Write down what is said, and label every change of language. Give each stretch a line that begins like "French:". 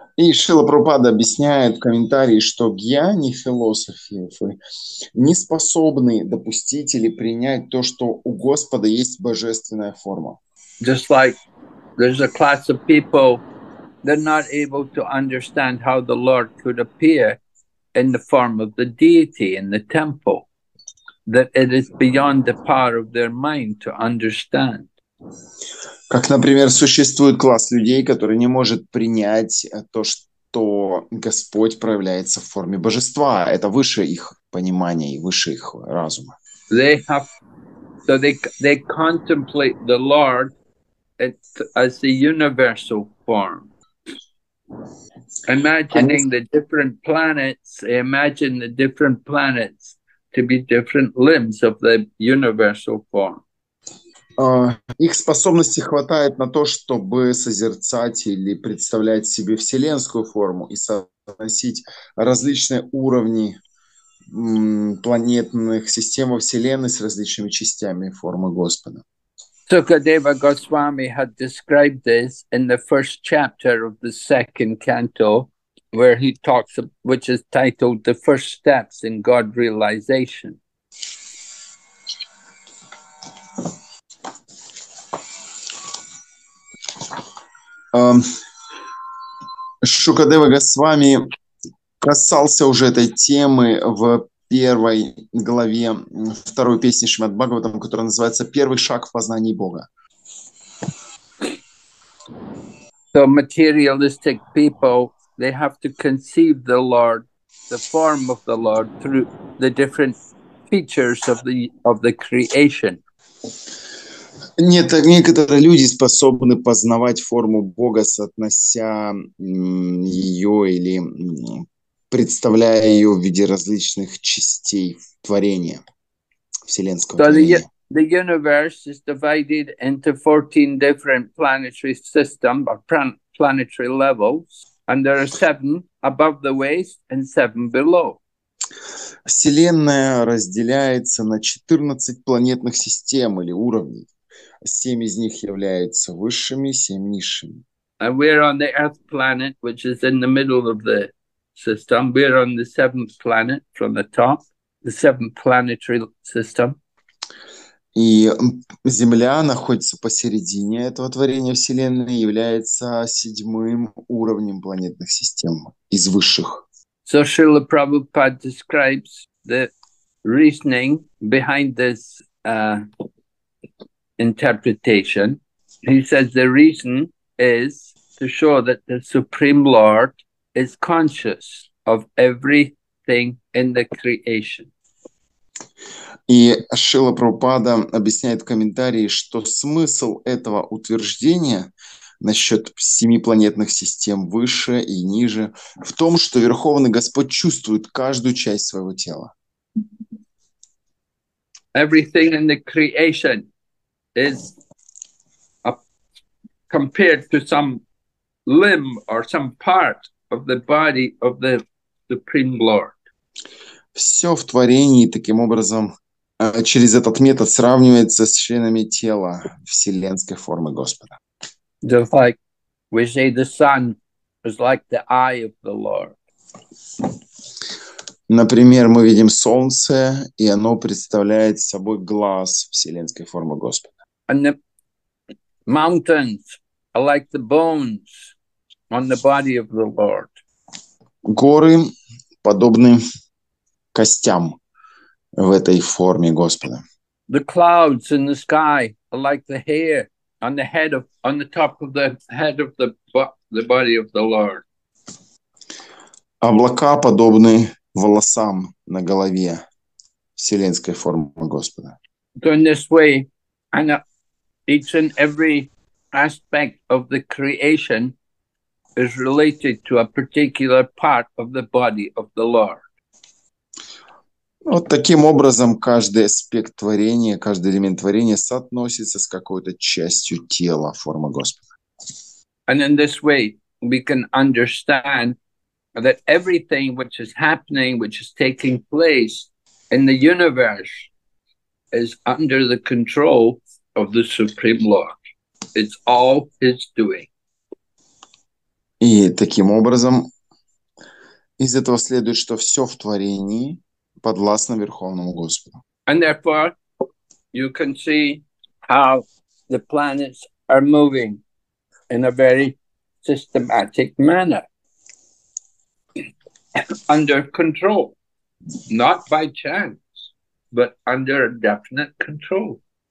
Russian: И Шрила Прабхупада объясняет в комментарии, что гьяни, философы, не способны допустить или принять то, что у Господа есть божественная форма.
English: Just like there's a class of people, they're not able to understand how the Lord could appear in the form of the deity in the temple, that it is beyond the power of their mind to understand.
Russian: Как, например, существует класс людей, который не может принять то, что Господь проявляется в форме божества. Это выше их понимания и выше их разума.
English: They have, so they contemplate the Lord as the universal form. Imagining the different planets, they imagine the different planets to be different limbs of the universal form.
Russian: Их способности хватает на то, чтобы созерцать или представлять себе вселенскую форму и соотносить различные уровни планетных систем Вселенной с различными частями формы Господа.
English: Sukadeva Goswami had described this in the first chapter of the second canto, where he talks, which is titled "The First Steps in God Realization."
Russian: В Шукадева Госвами касался уже этой темы в первой главе второй песни Шримад Бхагаватам, которая называется «Первый шаг в познании Бога».
English: So materialistic people, they have to conceive the Lord, the form of the Lord through the different features of the creation.
Russian: Нет, некоторые люди способны познавать форму Бога, соотнося ее или представляя ее в виде различных частей творения, вселенского творения.
English: The universe is divided into 14 different planetary systems or planetary levels, and there are 7 above the waist and 7 below.
Russian: Вселенная разделяется на 14 планетных систем или уровней. 7 из них являются высшими, 7 низшими.
English: And we're on the Earth planet, which is in the middle of the system. We're on the 7th planet from the top, the 7th planetary system.
Russian: И Земля находится посередине этого творения Вселенной, является 7-м уровнем планетных систем из высших.
English: So Srila Prabhupada describes the reasoning behind this interpretation. He says the reason is to show that the Supreme Lord is conscious of everything in the creation.
Russian: И Шрила Прабхупада объясняет в комментарии, что смысл этого утверждения насчет 7 планетных систем выше и ниже в том, что Верховный Господь чувствует каждую часть своего тела.
English: Everything in the creation is compared to some limb or some part of the body of the Supreme Lord.
Russian: Все в творении таким образом через этот метод сравнивается с членами тела вселенской формы Господа.
English: Just like we say the sun is like the eye of the Lord.
Russian: Например, мы видим солнце, и оно представляет собой глаз вселенской формы Господа.
English: And the mountains are like the bones on the body of the Lord.
Russian: Горы подобны костям в этой форме Господа.
English: The clouds in the sky are like the hair on the head of on the top of the head of the body of the Lord.
Russian: Облака подобны волосам на голове вселенской формы Господа.
English: So in this way, and each and every aspect of the creation is related to a particular part of the body of the Lord.
Russian: Вот таким образом каждый аспект творения, каждый элемент творения соотносится с какой-то частью тела формы Господа.
English: And in this way we can understand that everything which is happening, which is taking place in the universe is under the control of the Supreme Lord. It's all His doing.
Russian: И таким образом из этого следует, что все в творении подвластно Верховному Господу.
English: And therefore, you can see how the planets are moving in a very systematic manner, under control, not by chance, but under definite control.